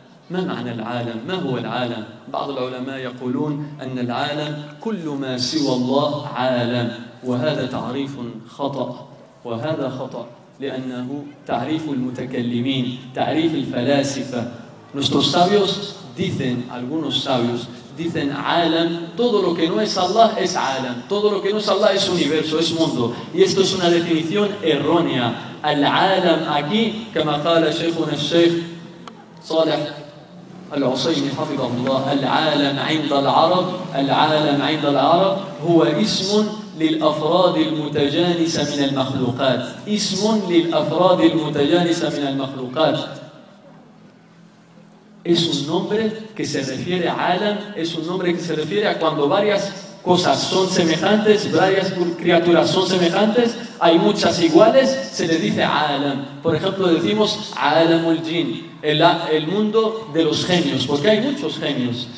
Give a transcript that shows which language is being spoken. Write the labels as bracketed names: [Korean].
[Arabic] ما معنى العالم؟ ما هو العالم؟ بعض العلماء يقولون أن العالم كل ما سوى الله عالم، وهذا تعريف خطأ، وهذا خطأ، لأنه تعريف المتكلمين، تعريف الفلاسفة. [Spanish] Nuestros sabios dicen, algunos sabios dicen عالم، todo lo que no es Allah es عالم، todo lo que no es Allah es universo, es mundo. Y esto es una definición errónea. [Arabic] العالم aquí, كما قال شيخنا الشيخ صالح العصيمي حفظه الله، العالم عند العرب، العالم عند العرب هو اسم للأفراد المتجانسة من المخلوقات، اسم للأفراد المتجانسة من المخلوقات. [Spanish] Es un nombre que se refiere a عالم، es un nombre que se refiere a cuando varias cosas son semejantes, varias criaturas son semejantes, hay muchas iguales, se le dice عالم. Por ejemplo, decimos عالم الجن. El mundo de los genios, porque hay muchos genios.